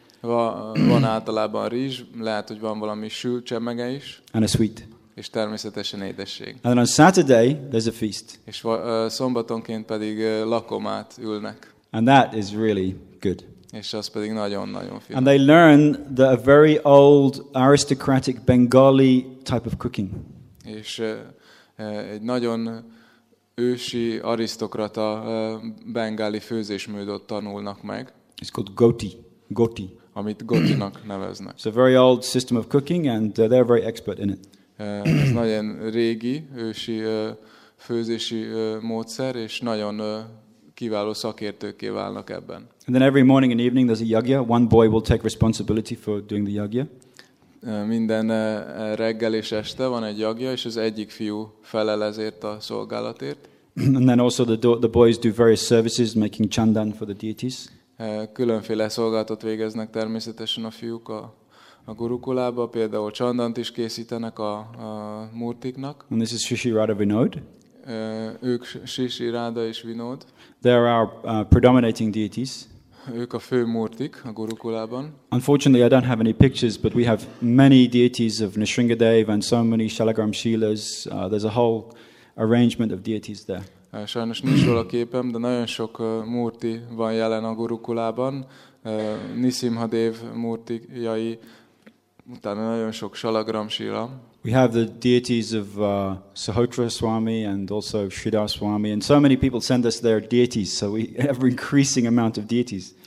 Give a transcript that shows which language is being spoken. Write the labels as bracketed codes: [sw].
[hu] Van általában rizs, lehet, hogy van valami sült csemmege is. [en] And a sweet. [hu] És természetesen édesség. [en] And on Saturday, there's a feast. [hu] És szombatonként pedig lakomát ülnek. [en] And that is really good. [hu] És az pedig nagyon-nagyon finom. [en] And they learn the very old aristocratic Bengali type of cooking. [hu] és egy nagyon ősi arisztokrata bengáli főzésmódot tanulnak meg. [en] It's called goti. [hu] Amit gotinak neveznek. [en] It's a very old system of cooking and they're very expert in it. [hu] Ez nagyon régi, ősi főzési módszer, és nagyon kiváló szakértőkké válnak ebben. [en] And then every morning and evening there's a yagya. One boy will take responsibility for doing the yagya. [hu] Minden reggel és este van egy yagya, és az egyik fiú felel ezért a szolgálatért. [en] And then also the boys do various services, making chandan for the deities. [hu] Különféle szolgálatot végeznek természetesen a fiúk a gurukulába, például csandant is készítenek a murtiknak. [en] And this is Shri Radha Vinod. [hu] Ők Shri Radha és Vinod. [en] They are our predominating deities. [hu] Ők a fő murtik a gurukulában. [en] Unfortunately, I don't have any pictures, but we have many deities of Nisringadev and so many Shalagram Shilas. There's a whole arrangement of deities there. [hu] Sajnos nincs róla képem, de nagyon sok murti van jelen a gurukulában. Nisimhadev murtijai, utána nagyon sok Shalagram Shila. [en] We have the deities of Sahotra Swami and also Sridhar Swami, and so many people send us their deities, so we have an increasing amount of deities.